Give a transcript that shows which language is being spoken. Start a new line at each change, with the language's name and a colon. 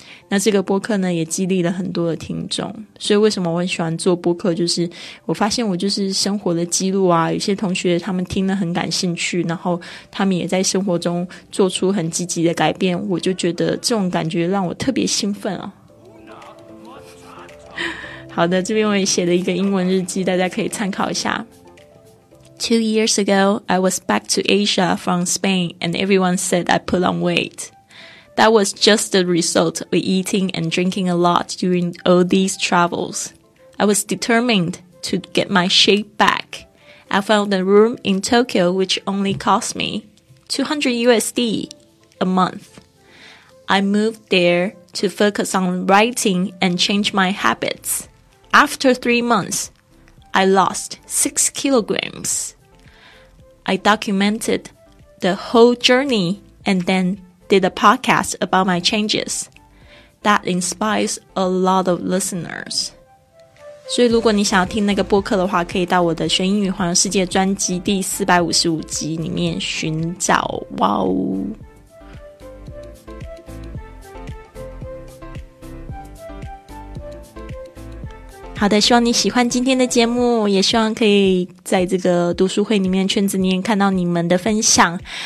Chinese: 那这个播客呢也激励了很多的听众，所以为什么我很喜欢做播客，就是我发现我就是生活的记录啊，有些同学他们听了很感兴趣，然后他们也在生活中做出很积极的改变，我就觉得这种感觉让我特别兴奋啊。好的，这边我也写了一个英文日记，大家可以参考一下。
English: 2 years ago, I was back to Asia from Spain and everyone said I put on weight. That was just the result of eating and drinking a lot during all these travels. I was determined to get my shape back. I found a room in Tokyo which only cost me $200 a month. I moved there to focus on writing and change my habits. After 3 months, I lost 6 kilograms. I documented the whole journey and then did a podcast about my changes. that inspires a lot of listeners.
Chinese: 所以如果你想要听那个播客的话，可以到我的学英语环游世界专辑第455集里面寻找。哇哦！好的，希望你喜欢今天的节目，也希望可以在这个读书会里面圈子里面看到你们的分享。